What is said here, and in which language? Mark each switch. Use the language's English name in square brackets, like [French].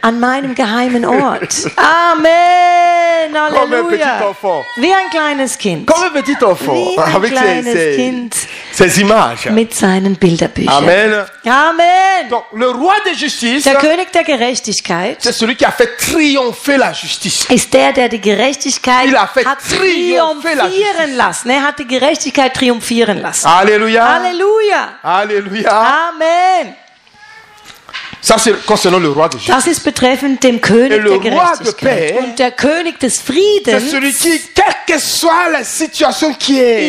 [German] An meinem geheimen Ort. Amen. Halleluja. Wie ein kleines Kind. [French] Comme un petit enfant. Avec ses, kind, ses images. [German] Mit seinen Bilderbüchern. Amen. Amen. [French] Donc, le roi de justice, [German] der König der Gerechtigkeit, [French] c'est celui qui a fait triompher la justice. [German] Ist der, der die Gerechtigkeit [French] Il a fait [German] hat triomphieren lassen. Er hat die Gerechtigkeit triumphieren lassen. Alléluia. Alléluia. Alléluia. Amen. [French] Ça, c'est concernant le roi de justice. [German] Das ist betreffend dem König [French] Et le [German] der Gerechtigkeit. [French] Roi de paix, [German] und der König des Friedens [French] c'est celui qui, quelle que soit la situation qui est